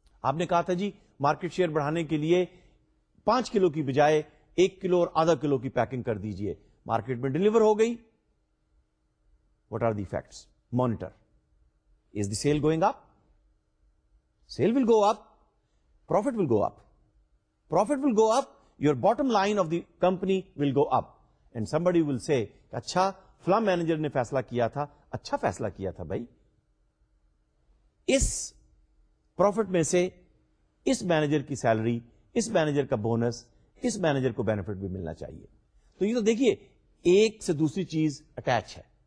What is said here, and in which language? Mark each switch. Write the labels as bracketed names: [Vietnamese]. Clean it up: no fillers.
[Urdu] آپ نے کہا تھا جی مارکیٹ شیئر بڑھانے کے لیے 5 کلو کی بجائے 1 کلو اور آدھا کلو کی پیکنگ کر دیجئے, مارکیٹ میں ڈیلیور ہو گئی. [English] What are the facts? Monitor. Is the sale going up? Sale will go up, profit will go up, profit will go up, your bottom line of the company will go up. [Urdu] And somebody ول سے اچھا film manager نے فیصلہ کیا تھا. اچھا فیصلہ کیا تھا بھائی, اس پروفٹ میں سے اس مینیجر کی سیلری, اس مینیجر کا بونس, اس مینیجر کو بینیفٹ بھی ملنا چاہیے. تو یہ تو دیکھیے ایک سے دوسری چیز اٹیچ ہے.